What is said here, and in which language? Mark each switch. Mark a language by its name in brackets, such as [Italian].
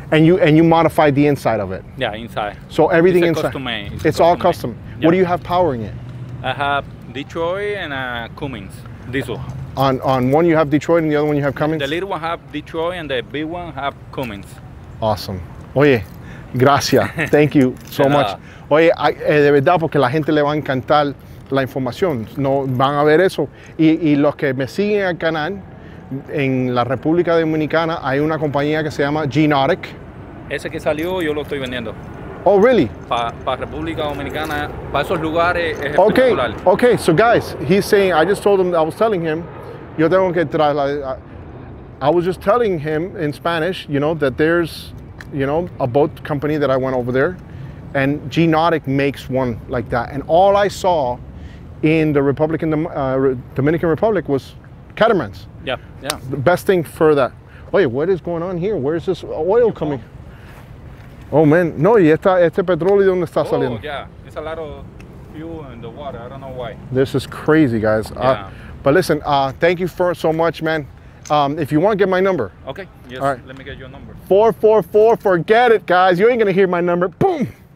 [English] And you modified the inside of it? Yeah, inside. So everything inside? It's all custom. Yeah. What do you have powering it? I have Detroit and Cummins, diesel. On one you have Detroit and the other one you have Cummins? The little one have Detroit and the big one have Cummins. Awesome. [Spanish] Oye. Gracias. [English] Thank you so much. [Spanish] Oye, de verdad, porque la gente le va a encantar la información. No van a ver eso. Y los que me siguen al canal, en la República Dominicana hay una compañía que se llama Genautic. Ese que salió, yo lo estoy vendiendo. [English] Oh, really? [Spanish] Pa República Dominicana, para esos lugares es espectacular. [English] Okay, so guys, he's saying, I was telling him, [Spanish] yo tengo que [English] I was just telling him in Spanish, you know, that there's, you know, a boat company that I went over there, and Genautic makes one like that. And all I saw in the Dominican Republic was catamarans. Yeah, yeah. The best thing for that. [Spanish] Oye, [English] what is going on here? Where is this oil coming? Oh man, [Spanish] no, y este petróleo, ¿dónde está saliendo? [English] Oh, yeah, it's a lot of fuel in the water. I don't know why. This is crazy, guys. Yeah. But listen, thank you for so much, man. If you want, get my number. Okay, yes, all right. Let me get your number. 444, forget it, guys. You ain't gonna hear my number. Boom!